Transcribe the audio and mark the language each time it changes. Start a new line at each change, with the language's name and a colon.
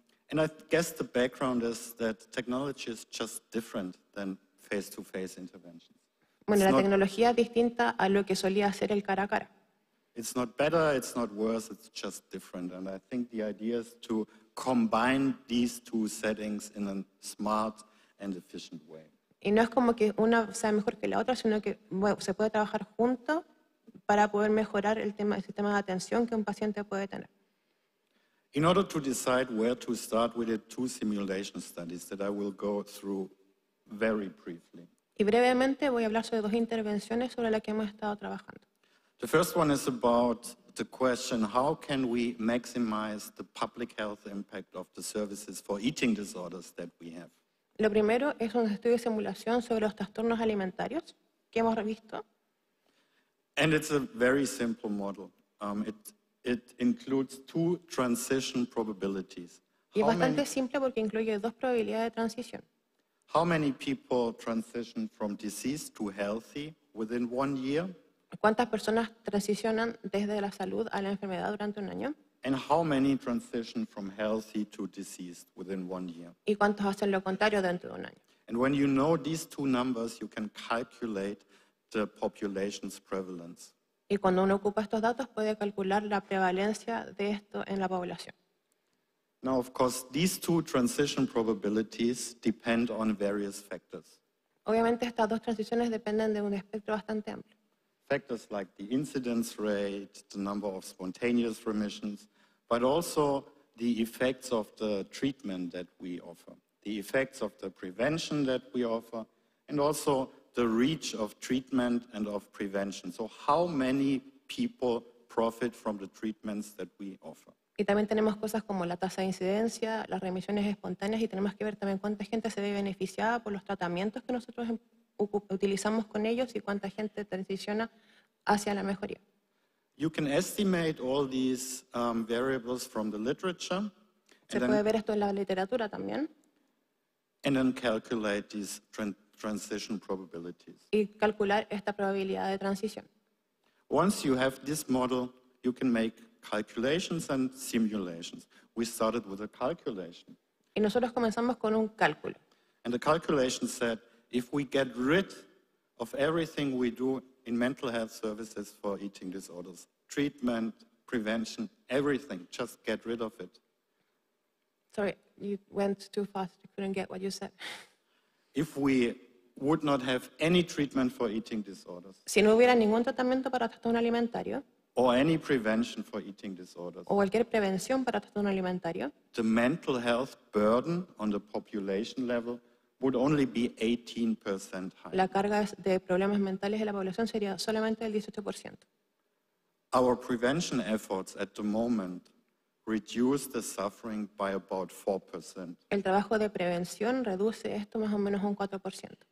English: And I guess the background is that technology is just different than face-to-face interventions.
Spanish: Bueno, la tecnología es distinta a lo que solía hacer el cara a cara.
English: It's not better, it's not worse, it's just different. And I think the idea is to combine these two settings in a smart and efficient way.
Spanish: Y no es como que una sea mejor que la otra, sino que bueno, se puede trabajar junto para poder mejorar el tema, el sistema de atención que un paciente puede tener.
English: In order to decide where to start, we did two simulation studies that I will go through very briefly.
Spanish: Y brevemente voy a hablar sobre dos intervenciones sobre las que hemos estado trabajando.
English: The first one is about the question, how can we maximize the public health impact of the services for eating disorders that we have?
Spanish: Lo primero es un estudio de simulación sobre los trastornos alimentarios que hemos visto.
English: And it's a very simple model. It includes two transition probabilities.
Spanish: Y es bastante simple porque incluye dos probabilidades de transición.
English: How many people transition from disease to healthy within one year?
Spanish: ¿Cuántas personas transicionan desde la salud a la enfermedad durante un año?
English: And how many transition from healthy to diseased within one year?
Spanish: ¿Y cuántos hacen lo contrario dentro de un año?
English: And when you know these two numbers, you can calculate the population's prevalence.
Spanish: Y cuando uno ocupa estos datos, puede calcular la prevalencia de esto en la población.
English: Now, of course, these two transition probabilities depend on various factors.
Spanish: Obviamente, estas dos transiciones dependen de un espectro bastante amplio.
English: Factors like the incidence rate, the number of spontaneous remissions, but also the effects of the treatment that we offer, the effects of the prevention that we offer, and also the reach of treatment and of prevention. So how many people profit from the treatments that we offer?
Spanish: Y también tenemos cosas como la tasa de incidencia, las remisiones espontáneas, y tenemos que ver también cuánta gente se ve beneficiada por los tratamientos que nosotros utilizamos con ellos y cuánta gente transiciona hacia la mejoría.
English: You can estimate all these variables from the literature.
Spanish: Se puede ver esto en la literatura también.
English: And then calculate these transition probabilities.
Spanish: Y calcular esta probabilidad de transición.
English: Once you have this model, you can make calculations and simulations. We started with a calculation.
Spanish: Y nosotros comenzamos con un cálculo.
English: And the calculation said, if we get rid of everything we do in mental health services for eating disorders, treatment, prevention, everything, just get rid of it. Sorry, you went too fast. I couldn't get what you said. If we would not have any treatment for eating disorders,
Spanish: si no hubiera ningún tratamiento para trastorno alimentario,
English: or any prevention for eating disorders,
Spanish: o cualquier prevención para trastorno alimentario,
English: the mental health burden on the population level would only be 18% higher.
Spanish: La carga de problemas mentales de la población sería solamente el 18%.
English: Our prevention efforts at the moment reduce the suffering by about 4%.
Spanish: El trabajo de prevención reduce esto más o menos un 4%.